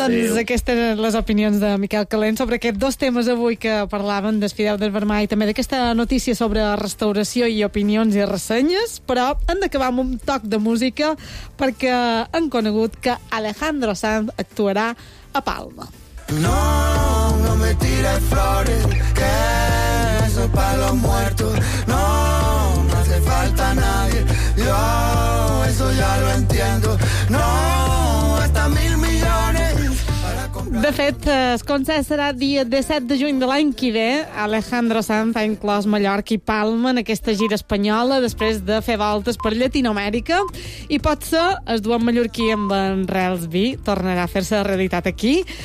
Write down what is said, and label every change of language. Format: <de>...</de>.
<ca>Doncs aquestes eren les opinions de Miquel Calent sobre aquests dos temes avui que parlaven del Fideu del Vermell i també d'aquesta notícia sobre restauració i opinions i ressenyes, però hem d'acabar amb un toc de música perquè hem conegut que Alejandro Sanz actuarà a Palma.</ca> <es>No, no me tires flores, que eso pa los muertos. No, no hace falta nadie, yo eso ya lo entiendo.</es> <ca>No, de fet, el concert serà dia 17 de juny de l'any que ve. Alejandro Sanz ha inclòs Mallorca i Palma en aquesta gira espanyola després de fer voltes per Llatinoamèrica. I potser el duet mallorquí amb en Rels B tornarà a fer-se realitat aquí.</ca>